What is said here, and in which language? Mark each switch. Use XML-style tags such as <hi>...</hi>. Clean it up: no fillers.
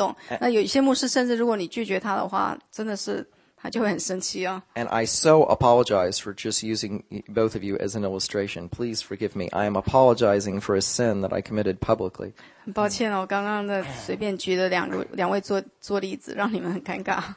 <zh>我真的是碰过有这样的牧师哦，他就会说，神给我感动，要你娶这个姐妹哦。那在这种情形下，你真的是要非常提高警觉，因为神也会给你同样的感动。那有一些牧师，甚至如果你拒绝他的话，真的是 他就会很生气哦。</zh> <en>And I so apologize for just using both of you as an illustration. Please forgive me. I am apologizing for a sin that I committed publicly.</en> <zh>很抱歉哦，我刚刚的随便举了两位做例子，让你们很尴尬。</zh>